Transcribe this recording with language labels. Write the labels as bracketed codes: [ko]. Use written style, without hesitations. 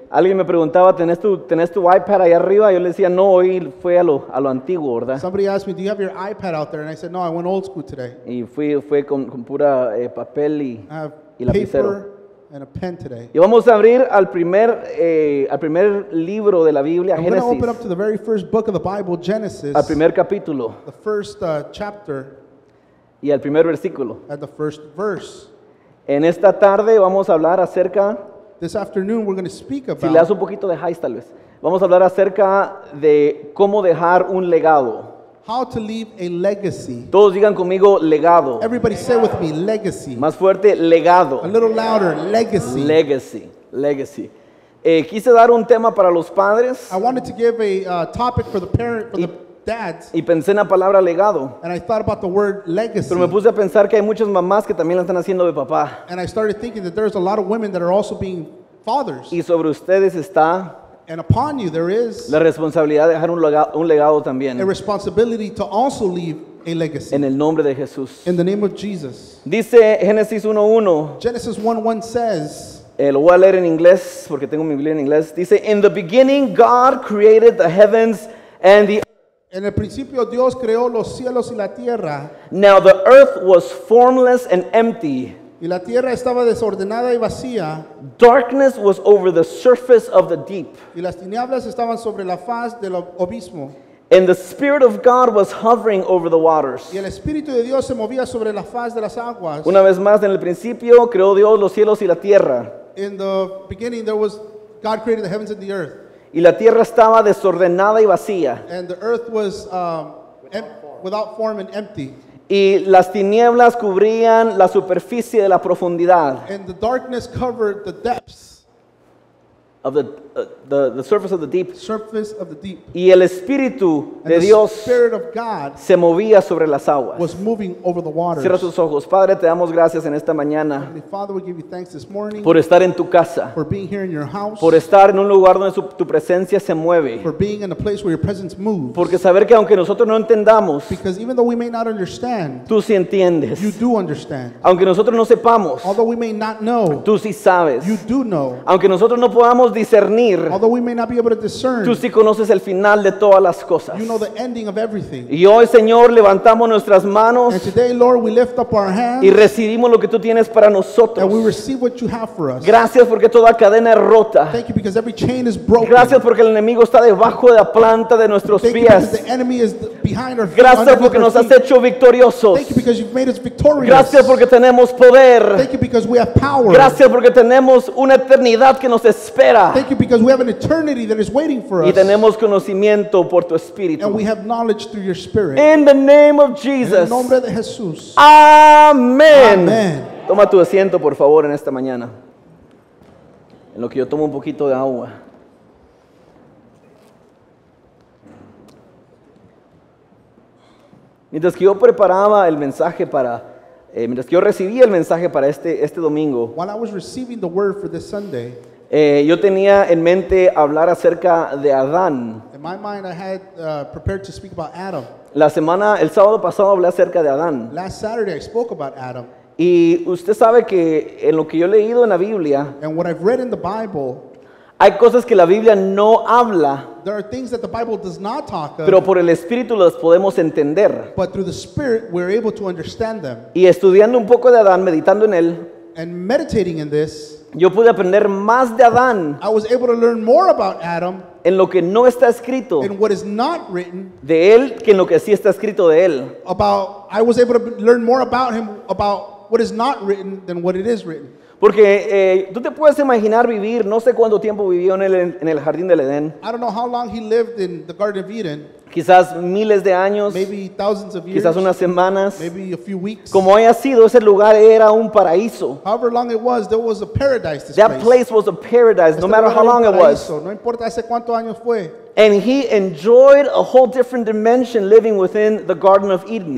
[es] Alguien me preguntaba, ¿tenés tu iPad ahí arriba? Yo le decía, no, hoy fue a lo antiguo, ¿verdad? [en] Somebody asked me, do you have your iPad out there? And I said, no, I went old school today. [es] Y fue con pura papel y lapicero. [en] And a pen today. [es] Y vamos a abrir al primer libro de la Biblia, Génesis. [en] I'm going to open up to the very first book of the Bible, Genesis. [es] Al primer capítulo. [en] The first chapter. [es] Y al primer versículo. [en] At the first verse. [es] En esta tarde vamos a hablar acerca. [en] This afternoon we're going to speak about. [es] Si le das un poquito de high, tal vez. Vamos a hablar acerca de cómo dejar un legado. [en] How to leave a legacy. [es] Todos digan conmigo legado. [en] Everybody say with me legacy. [es] Más fuerte, legado. [en] A little louder, legacy. Legacy, legacy. [es] Quise dar un tema para los padres. [en] I wanted to give a topic for the parent for the dads. [es] Y pensé en la palabra legado. [en] And I thought about the word legacy. [es] Pero me puse a pensar que hay muchas mamás que también la están haciendo de papá. [en] And I started thinking that there's a lot of women that are also being fathers. [es] Y sobre ustedes está. [en] And upon you there is. [es] La responsabilidad de dejar un legado también. [en] A responsibility to also leave a legacy. [es] En el nombre de Jesús. [en] In the name of Jesus. [es] Dice Génesis 1:1. [en] Genesis 1:1 says. [es] Lo voy a leer en inglés porque tengo mi Biblia en inglés. Dice, [en] in the beginning God created the heavens and the earth. [es] En el principio Dios creó los cielos y la tierra. [en] Now the earth was formless and empty. [es] Y la tierra estaba desordenada y vacía. [en] Darkness was over the surface of the deep. [es] Y las tinieblas estaban sobre la faz del abismo. [en] And the Spirit of God was hovering over the waters. [es] Y el Espíritu de Dios se movía sobre la faz de las aguas. Una vez más, en el principio creó Dios los cielos y la tierra. [en] In the beginning there was God created the heavens and the earth. [es] Y la tierra estaba desordenada y vacía. [en] And the earth was without form and empty. [es] Y las tinieblas cubrían la superficie de la profundidad. [en] And the darkness covered the depths. of the surface of the deep. Surface of the deep. [es] Y el espíritu de Dios se movía sobre las aguas. [en] Was moving over the waters. [es] Cierra tus ojos, Padre, te damos gracias en esta mañana. [en] Father, we give you thanks this morning. [es] Por estar en tu casa. [en] For being here in your house. [es] Por estar en un lugar donde tu presencia se mueve. [en] For being in a place where your presence moves. [es] Porque saber que aunque nosotros no entendamos, [en] because even though we may not understand, [es] tú sí entiendes. [en] You do understand. [es] Aunque nosotros no sepamos, [en] although we may not know, [es] tú sí sabes. [en] You do know. [es] Aunque nosotros no podamos discernir, [en] although we may not be able to discern, [es] tú sí conoces el final de todas las cosas. [en] You know the ending of everything. [es] Y hoy, Señor, levantamos nuestras manos, [en] and today, Lord, we lift up our hands, [es] y recibimos lo que tú tienes para nosotros. [en] And we receive what you have for us. [es] Gracias porque toda cadena es rota. [en] Thank you because every chain is broken. [es] Gracias porque el enemigo está debajo de la planta de nuestros [en] Thank [es] pies. [en] You because the enemy is behind our feet. [es] Gracias porque nos has hecho victoriosos. [en] Thank you because you've made us victorious. [es] Gracias porque tenemos poder. [en] Thank you because we have power. [es] Gracias porque tenemos una eternidad que nos espera. [en] Thank you because we have an eternity that is waiting for us. [es] Y tenemos conocimiento por tu espíritu. [en] And we have knowledge through your spirit. In the name of Jesus. [es] En el nombre de Jesús. Amén. Amén. Toma tu asiento, por favor, en esta mañana. En lo que yo tomo un poquito de agua. Mientras que yo preparaba el mensaje para mientras que yo recibía el mensaje para este domingo. [en] While I was receiving the word for this Sunday. [es] Yo tenía en mente hablar acerca de Adán. [en] In my mind, I had prepared to speak about Adam. [es] El sábado pasado hablé acerca de Adán. [en] Last Saturday, I spoke about Adam. [es] Y usted sabe que en lo que yo he leído en la Biblia, [en] and what I've read in the Bible, [es] hay cosas que la Biblia no habla. [en] There are things that the Bible does not talk of. [es] Pero por el Espíritu las podemos entender. [en] But through the Spirit, we're able to understand them. [es] Y estudiando un poco de Adán, meditando en él, [en] and meditating in this, [es] yo pude aprender más de Adán. [en] I was able to learn more about Adam. [es] En lo que no está escrito. [en] In what is not written. [es] De él que en lo que sí está escrito de él. [en] About, I was able to learn more about him, about what is not written, than what it is written. [es] Porque tú te puedes imaginar vivir, no sé cuánto tiempo vivió en el jardín del Edén. [en] I don't know how long he lived in the Garden of Eden. [es] Quizás miles de años, [en] maybe thousands of years, [es] quizás unas semanas, [en] maybe a few weeks. [es] Como haya sido, ese lugar era un paraíso. [en] However long it was, there was a paradise. This that place was a paradise, [es] este [en] no matter how long [es] paraíso. [en] It was. [es] No importa hace cuántos años fue. [en] And he enjoyed a whole different dimension living within the Garden of Eden.